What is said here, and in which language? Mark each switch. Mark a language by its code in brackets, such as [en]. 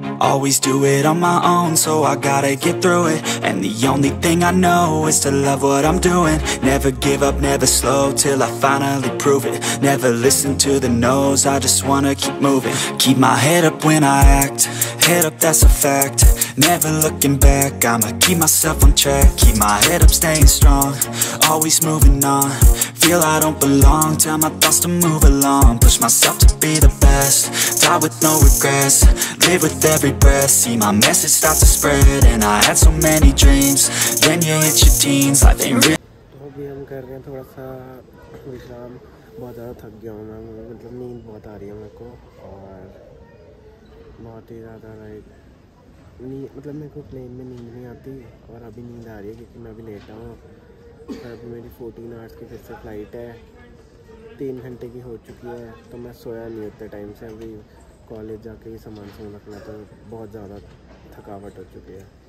[en] Always do it on my own, so I gotta get through it. And the only thing I know is to love what I'm doing. Never give up, never slow, till I finally prove it. Never listen to the no's, I just wanna keep moving. Keep my head up when I act, head up, that's a fact. Never looking back, I'ma keep myself on track. Keep my head up, staying strong, always moving on. Feel I don't belong, tell my thoughts to move along. Push myself to be the best, die with no regrets. Live with every breath, see my message start to spread. And I had so many dreams, then you hit your teens. Life ain't real. [hi] तो अभी हम कर रहे हैं थोड़ा सा विश्राम बहुत ज़्यादा थक गया हूँ मैं मतलब नींद बहुत आ रही है मेरे को और बहुत ही ज़्यादा लाइक नींद मतलब मेरे को प्लेन में नींद नहीं आती और अभी नींद आ रही है क्योंकि मैं अभी लेटा हूँ अभी मेरी 14 आवर्स की फिर से फ्लाइट है 3 घंटे की हो चुकी है तो मैं सोया नहीं उतने टाइम से अभी कॉलेज जाके भी सामान सामान रखना तो बहुत ज़्यादा थकावट हो चुकी है